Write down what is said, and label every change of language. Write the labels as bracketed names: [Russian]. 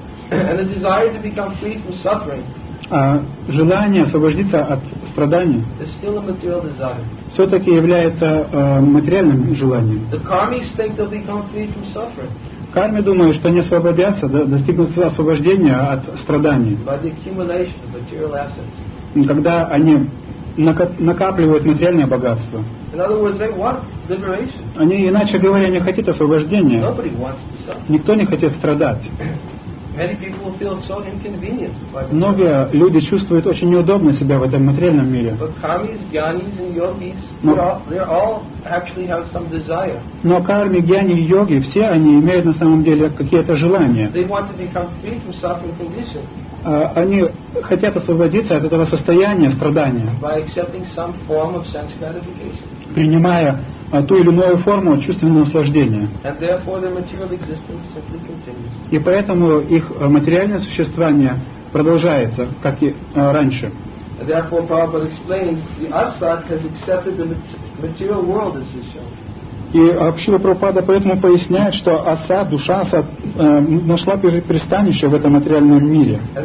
[English] And the desire to become free from suffering. [Russian] Желание освободиться от страданий. [English] It's still a material desire. [Russian] Все-таки является материальным желанием. [English] The karmis think they'll become free from suffering. [Russian] Карми думают, что они освободятся, достигнут освобождения от страданий. [English] By the accumulation of material assets. [Russian] Когда они накапливают материальное богатство. [English] In other words, they want liberation. [Russian] Они, иначе говоря, не хотят освобождения. [English] Nobody wants to suffer. [Russian] Никто не хочет страдать. [English] Many people feel so inconvenienced. [Russian] Многие люди чувствуют очень неудобно себя в этом материальном мире. [English] But karmis, gyanis, and yogis, they all actually have some desire. [Russian] Но карми, гьяни, йоги, все они имеют на самом деле какие-то желания. [English] They want to become free from suffering condition. [Russian] Они хотят освободиться от этого состояния страдания. [English] By accepting some form of sense gratification. [Russian] Принимая ту или иную форму чувственного наслаждения. [English] And therefore their material existence simply continues. [Russian] И поэтому их материальное существование продолжается, как и раньше. [English] And therefore Prabhupada explained, the asat has accepted the material world as his shelter. [Russian] И Шрила Прабхупада поэтому поясняет, что аса, душа аса, нашла пристанище в этом материальном мире.